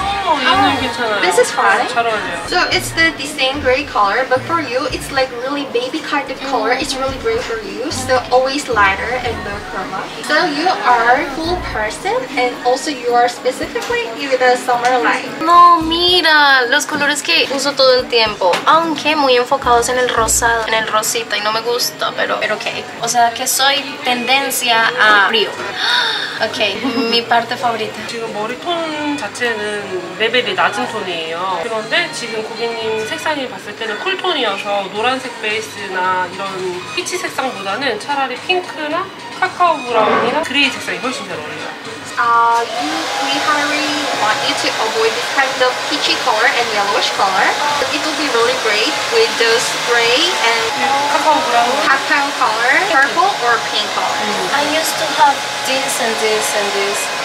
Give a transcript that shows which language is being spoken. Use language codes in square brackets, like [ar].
[en] Oh, this is fine. So it's the same gray color, but for you, it's like really baby kind of color. It's really great for you. So always lighter and no chroma. So you are a cool person, and also you are specifically in the summer light. [es] No, mira, los colores que uso todo el tiempo. Aunque muy enfocados en el rosado, en el rosita, y no me gusta, pero okay. O sea, que soy tendencia a frío. Okay, mi parte favorita. [ko] 지금 머리톤 자체는 레벨이 낮은 톤이에요. 그런데 지금 고객님 색상이 봤을 때는 쿨톤이어서 노란색 베이스나 이런 피치 색상보다는 차라리 핑크나 카카오 브라운이나 그레이 색상이 훨씬 잘 어울려요. [en] We highly want you to avoid this kind of peachy color and yellowish color. It will be really great with those gray and cacao color, purple or pink color. I used to have this and this and this.